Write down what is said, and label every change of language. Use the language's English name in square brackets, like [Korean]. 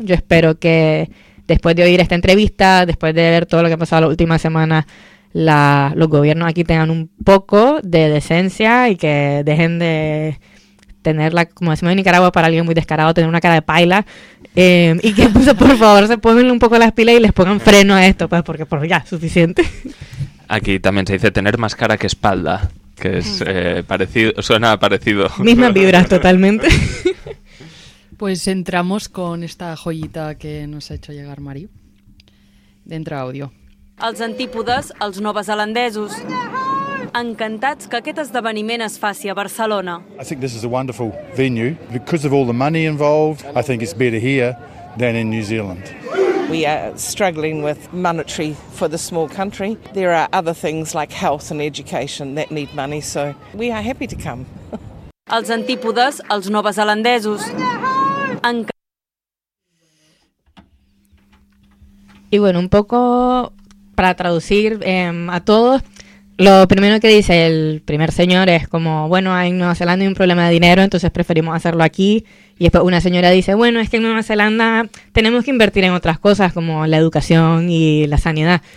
[Spanish] Yo espero que después de oír esta entrevista, después de ver todo lo que ha pasado la última semana, los gobiernos aquí tengan un poco de decencia y que dejen de tenerla, como decimos en Nicaragua, para alguien muy descarado, tener una cara de paila, y que pues, por favor se pongan un poco las pilas y les pongan freno a esto, pues, porque pues, ya, suficiente. Aquí también se dice tener más cara que espalda, que es parecido, suena parecido. Mismas vibras totalmente. Pues entramos con esta joyita que nos ha hecho llegar Mari. Dentro audio. [Catalan] Els antípodes, els novazelandesos, encantats que aquest esdeveniment es faci a Barcelona. [English] I think this is a wonderful venue because of all the money involved. I think it's better here than in New Zealand. We are struggling with monetary for the small country. There are other things like health and education that need money, so we are happy to come. [Catalan] Els antípodes, els novazelandesos. [Spanish] I bueno, un poco para traducir a todos, Lo primero que dice el primer señor es como, bueno, en Nueva Zelanda hay un problema de dinero, entonces preferimos hacerlo aquí. Y después una señora dice, bueno, es que en Nueva Zelanda tenemos que invertir en otras cosas como la educación y la sanidad.